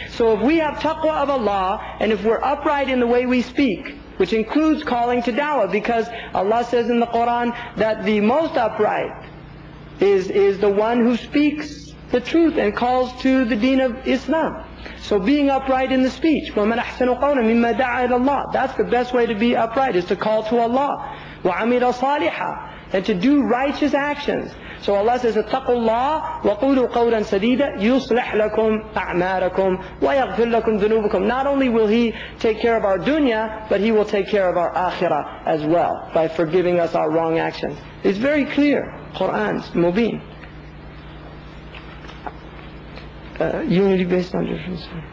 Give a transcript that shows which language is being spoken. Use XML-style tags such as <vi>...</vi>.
<en>So if we have taqwa of Allah, and if we're upright in the way we speak, which includes calling to dawah, because Allah says in the Quran that the most upright is the one who speaks the truth and calls to the deen of Islam. So being upright in the speech,</en> <ar>وَمَنْ أَحْسَنُ قَوْلًا مِمَّا دَعَى إِلَى اللَّهِ.</ar> <en>That's the best way to be upright, is to call to Allah.</en> <ar>وَعَمِلَ صَالِحًا.</ar> <en>And to do righteous actions. So Allah says,</en> <ar>اتَّقُوا اللَّهِ وَقُولُوا قَوْلًا سَدِيدًا يُصْلِحْ لَكُمْ أَعْمَارَكُمْ وَيَغْفِرْ لَكُمْ ذُنُوبُكُمْ.</ar> <en>Not only will He take care of our dunya, but He will take care of our akhirah as well by forgiving us our wrong actions. It's very clear. Quran, Mubin. Unity based on difference.</en>